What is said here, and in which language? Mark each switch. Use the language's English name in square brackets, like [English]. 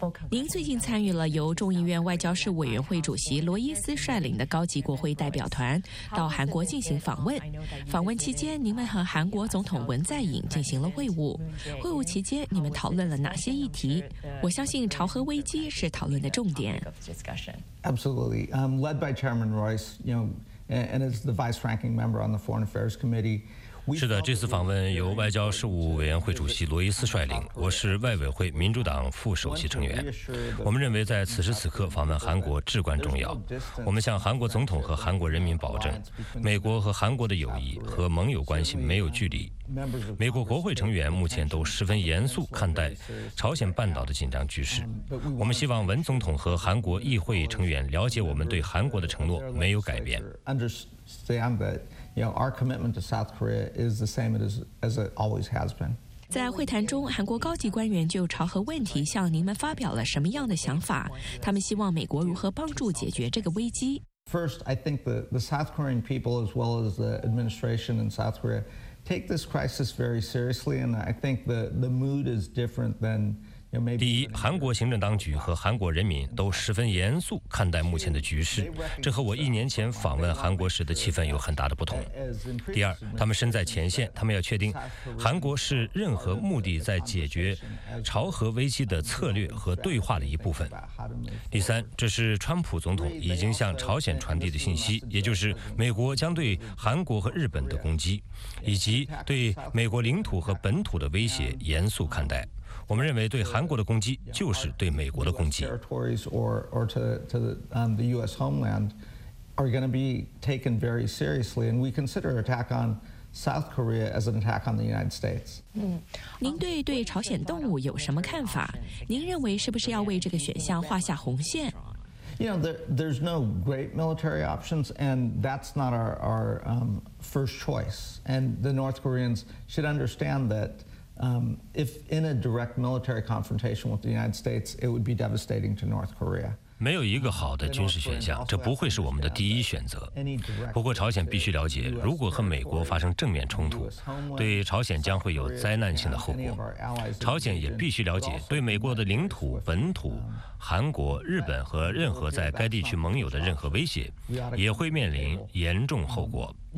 [Chinese] 您最近参与了由众议院外交事务委员会主席罗伊斯率领的高级国会代表团到韩国进行访问。访问期间，您们和韩国总统文在寅进行了会晤。会晤期间，你们讨论了哪些议题？我相信朝核危机是讨论的重点。 [English] Absolutely. Led by Chairman Royce, you know, and as the vice-ranking member on the Foreign Affairs Committee. [Chinese] 是的，这次访问由外交事务委员会主席罗伊斯率领，我是外委会民主党副首席成员。我们认为在此时此刻访问韩国至关重要。我们向韩国总统和韩国人民保证，美国和韩国的友谊和盟友关系没有距离。美国国会成员目前都十分严肃看待朝鲜半岛的紧张局势。我们希望文总统和韩国议会成员了解我们对韩国的承诺没有改变。 [English] You know, our commitment to South Korea is the same as it always has been. [Chinese] 在会谈中，韩国高级官员就朝核问题向您们发表了什么样的想法？他们希望美国如何帮助解决这个危机？ [English] First, I think the South Korean people as well as the administration in South Korea take this crisis very seriously, and I think the mood is different than. [Chinese] 第一，韩国行政当局和韩国人民都十分严肃看待目前的局势，这和我一年前访问韩国时的气氛有很大的不同。第二，他们身在前线，他们要确定韩国是任何目的在解决朝核危机的策略和对话的一部分。第三，这是川普总统已经向朝鲜传递的信息，也就是美国将对韩国和日本的攻击，以及对美国领土和本土的威胁严肃看待。我们认为对韩国的攻击就是对美国的攻击。您对朝鲜动武有什么看法？您认为是不是要为这个选项画下红线？ [English] You know, there's no great military options, and that's not our first choice. And the North Koreans should understand that. If in a direct military confrontation with the United States, it would be devastating to North Korea. [Chinese] 没有一个好的军事选项，这不会是我们的第一选择。不过朝鲜必须了解，如果和美国发生正面冲突，对朝鲜将会有灾难性的后果。朝鲜也必须了解，对美国的领土、本土、韩国、日本和任何在该地区盟友的任何威胁，也会面临严重后果。